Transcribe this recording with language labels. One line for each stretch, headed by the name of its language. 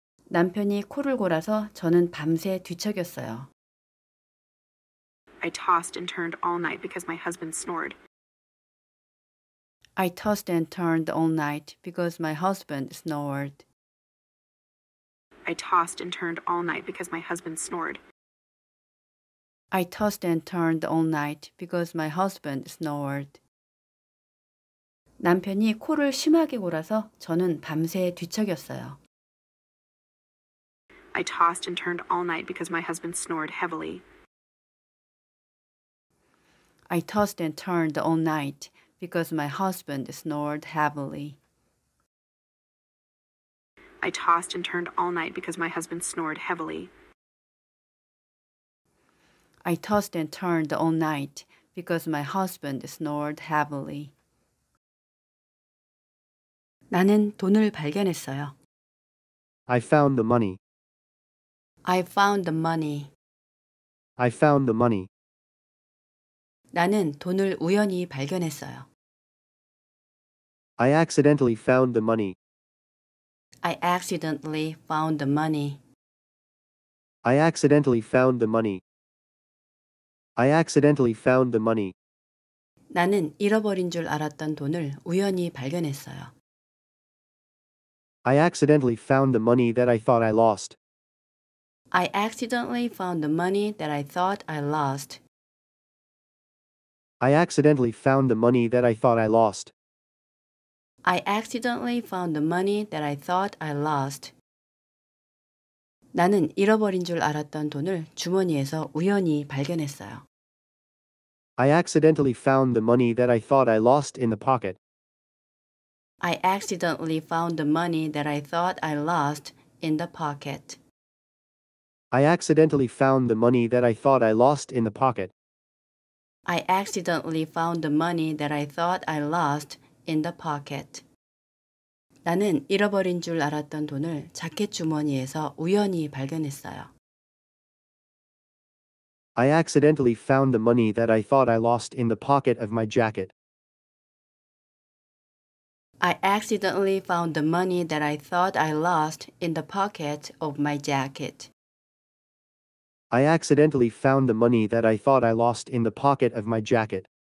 Korean: 남편이 코를 골아서 저는 밤새 뒤척였어요.
English: I tossed and turned all night because my husband snored. I tossed and turned all night because my husband snored. I tossed and turned all night because my husband snored. I tossed and turned all night because my husband snored.
Korean: 남편이 코를 심하게 골아서 저는 밤새 뒤척였어요.
English: I tossed and turned all night because my husband snored heavily. I tossed and turned all night because my husband snored heavily. I tossed and turned all night because my husband snored heavily. I tossed and turned all night because my husband snored heavily.
Korean: 나는 돈을 발견했어요.
English: I found the money. I found the money. I found the money.
Korean: 나는 돈을 우연히 발견했어요.
English: I accidentally found the money. I accidentally found the money. I accidentally found the money. I accidentally found the money.
Korean: 나는 잃어버린 줄 알았던 돈을 우연히 발견했어요.
English: I accidentally found the money that I thought I lost. I accidentally found the money that I thought I lost. I accidentally found the money that I thought I lost. I accidentally found the money that I thought I lost.
Korean: 나는 잃어버린 줄 알았던 돈을 주머니에서 우연히 발견했어요.
English: I accidentally found the money that I thought I lost in the pocket. I accidentally found the money that I thought I lost in the pocket. I accidentally found the money that I thought I lost in the pocket. I accidentally found the money that I thought I lost in the pocket.
Korean: 나는 잃어버린 줄 알았던 돈을 자켓 주머니에서 우연히 발견했어요.
English: I accidentally found the money that I thought I lost in the pocket of my jacket. I accidentally found the money that I thought I lost in the pocket of my jacket. I accidentally found the money that I thought I lost in the pocket of my jacket.